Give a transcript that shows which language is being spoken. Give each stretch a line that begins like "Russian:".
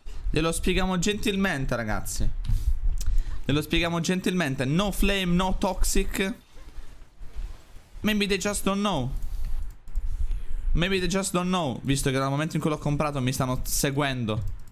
Italian: Glielo spieghiamo gentilmente, ragazzi. Glielo spieghiamo gentilmente.
English: No flame, no toxic. Maybe they just don't know. Maybe they just don't know.
Italian: Visto che dal momento in cui l'ho comprato mi stanno seguendo.